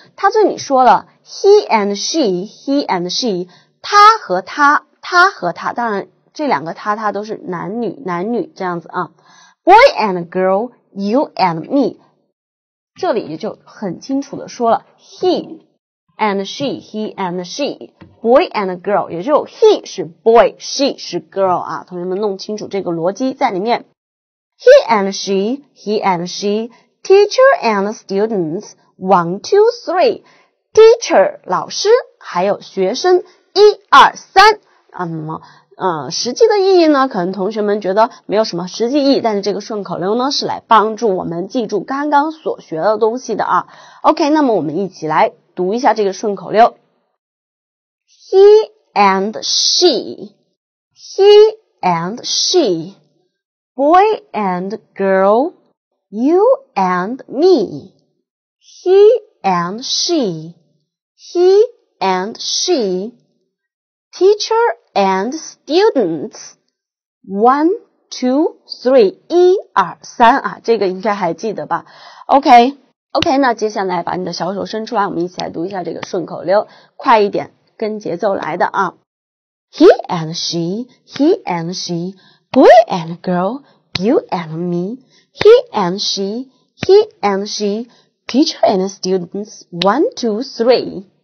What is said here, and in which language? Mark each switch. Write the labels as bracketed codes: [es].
[zh] 他这里说了 [en] he and she， [zh] 他和他，他和他，当然这两个他都是男女，男女这样子啊。 [en] boy and girl， you and me， [zh] 这里也就很清楚的说了 [en] he and she boy and girl， [zh] 也就 he 是 boy， she 是 girl 啊。同学们弄清楚这个逻辑在里面。 [en] he and she teacher and students 1 2 3 teacher [zh] 老师还有学生1 2 3。实际的意义呢可能同学们觉得没有什么实际意义，但是这个顺口溜呢是来帮助我们记住刚刚所学的东西的啊。 OK， 那么我们一起来读一下这个顺口溜。 [en] He and she He and she, boy and girl, you and me, he and she, he and she, teacher and students, one, two, three, [zh] 一二三啊，这个应该还记得吧 [en] ？OK。 [zh] OK, 那接下来把你的小手伸出来，我们一起来读一下这个顺口溜，快一点，跟节奏来的啊。 [en] He and she, he and she, boy and girl, you and me, he and she, he and she, teacher and students, one, two, three.